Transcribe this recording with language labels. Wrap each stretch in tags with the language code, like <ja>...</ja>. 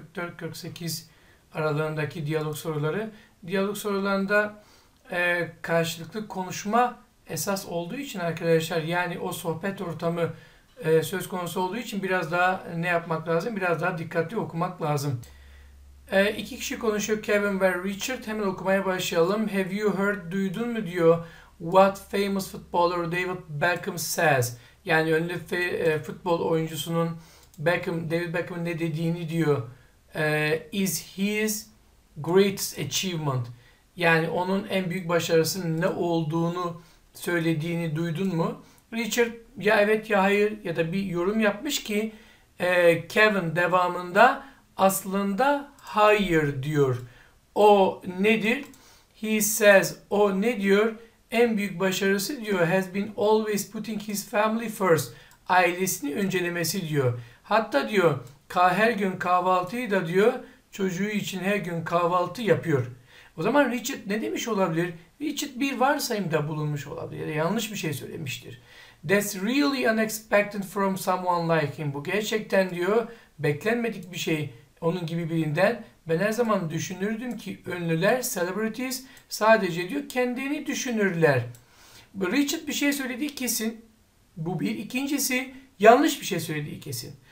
<tr>44-48 aralığındaki diyalog soruları. Diyalog sorularında karşılıklı konuşma esas olduğu için arkadaşlar, yani o sohbet ortamı söz konusu olduğu için biraz daha ne yapmak lazım? Biraz daha dikkatli okumak lazım. İki kişi konuşuyor, Kevin ve Richard. Hemen okumaya başlayalım.</tr> <en>Have you heard,</en> <tr>duydun mu diyor,</tr> <en>what famous footballer David Beckham says?</en> <tr>Yani ünlü futbol oyuncusunun David Beckham'ın ne dediğini diyor.</tr> <en>Is his greatest achievement?</en> <tr>Yani onun en büyük başarısının ne olduğunu söylediğini duydun mu? Richard ya evet ya hayır ya da bir yorum yapmış ki Kevin devamında aslında hayır diyor. O nedir?</tr> <en>He says,</en> <tr>o ne diyor? En büyük başarısı diyor,</tr> <en>has been always putting his family first.</en> <tr>Ailesini öncelemesi diyor. Hatta diyor, her gün kahvaltıyı da diyor, çocuğu için her gün kahvaltı yapıyor. O zaman Richard ne demiş olabilir? Richard bir varsayımda bulunmuş olabilir. Yanlış bir şey söylemiştir.</tr> <en>That's really unexpected from someone like him.</en> <tr>Bu gerçekten diyor, beklenmedik bir şey onun gibi birinden. Ben her zaman düşünürdüm ki ünlüler, celebrities sadece diyor kendini düşünürler. Richard bir şey söylediği kesin. Bu bir. İkincisi yanlış bir şey söylediği kesin.</tr>